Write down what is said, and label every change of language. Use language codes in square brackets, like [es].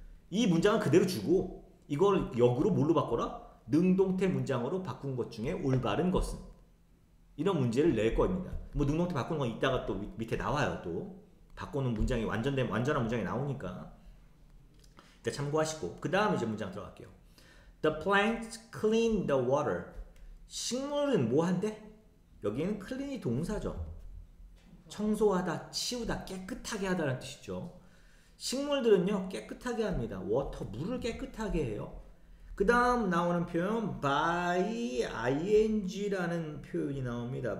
[ko] 이 문장은 그대로 주고 이걸 역으로 뭘로 바꿔라? 능동태 문장으로 바꾼 것 중에 올바른 것은? 이런 문제를 낼 겁니다. 뭐 능동태 바꾸는 건 이따가 또 밑에 나와요. 또 바꾸는 문장이 완전한 문장이 나오니까 일단 참고하시고 그 다음 이제 문장 들어갈게요. [en] The plants clean the water. [ko] 식물은 뭐 한대? 여기에는 clean이 동사죠. 청소하다, 치우다, 깨끗하게 하다라는 뜻이죠. 식물들은요 깨끗하게 합니다. 워터, 물을 깨끗하게 해요. 그 다음 나오는 표현 by ing라는 표현이 나옵니다.